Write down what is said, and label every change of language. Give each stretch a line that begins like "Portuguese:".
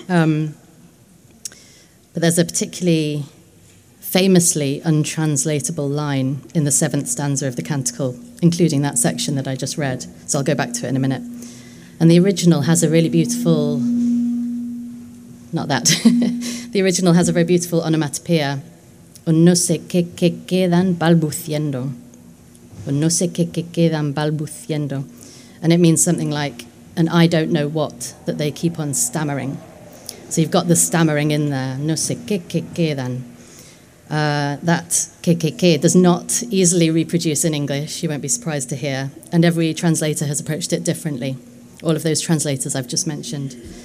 English: But there's a particularly famously untranslatable line in the seventh stanza of the canticle, including that section that I just read. So I'll go back to it in a minute. And the original has a really beautiful... Not that. The original has a very beautiful onomatopoeia.
Spanish: Un no sé qué que quedan balbuciendo. Un no sé qué que quedan balbuciendo.
English: And it means something like, and I don't know what, that they keep on stammering. So you've got the stammering in there.
Spanish: No sé qué que quedan.
English: That que does not easily reproduce in English, you won't be surprised to hear. And every translator has approached it differently, all of those translators I've just mentioned.